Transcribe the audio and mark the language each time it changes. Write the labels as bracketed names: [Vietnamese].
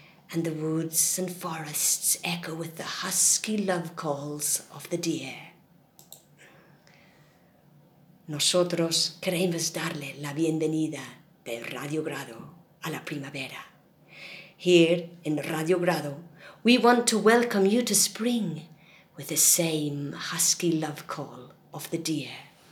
[English] And the woods and forests echo with the husky love calls of the deer. [Spanish] Nosotros queremos darle la bienvenida de Radio Grado a la primavera. [English] Here in Radio Grado, we want to welcome you to spring with the same husky love call of the deer.